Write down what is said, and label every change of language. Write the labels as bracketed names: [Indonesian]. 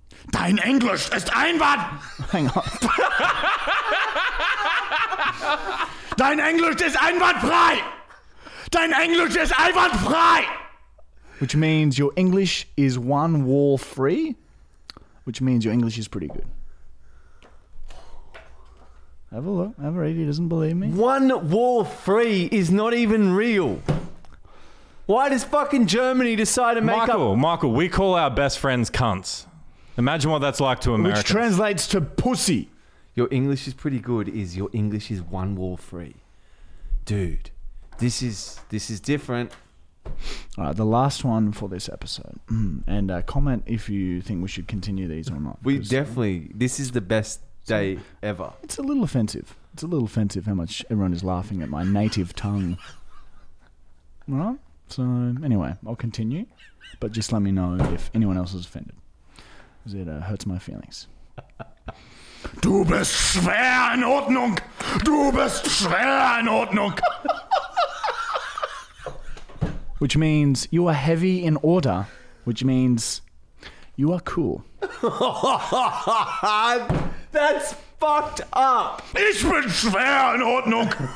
[German] Dein Englisch ist einwand. [English] Hang on. [German] Dein Englisch ist einwandfrei. Dein Englisch ist einwandfrei. [English] Which means your English is one wall free. Which means your English is pretty good. Have a look. Have a read. He doesn't believe me. One wall free is not even real. Why does fucking Germany decide to make Michael, up... Michael, we call our best friends cunts. Imagine what that's like to Americans. Which translates to pussy. Your English is pretty good is your English is one wall free. Dude, this is different. All right, the last one for this episode. And comment if you think we should continue these or not. We definitely... This is the best... day ever. It's a little offensive. It's a little offensive how much everyone is laughing at my native tongue. Right? So, anyway, I'll continue. But just let me know if anyone else is offended. Because it hurts my feelings. [German] Du bist schwer in Ordnung! Du bist schwer in Ordnung! [English] Which means you are heavy in order, which means you are cool. That's fucked up. [German] Ich bin schwer in Ordnung.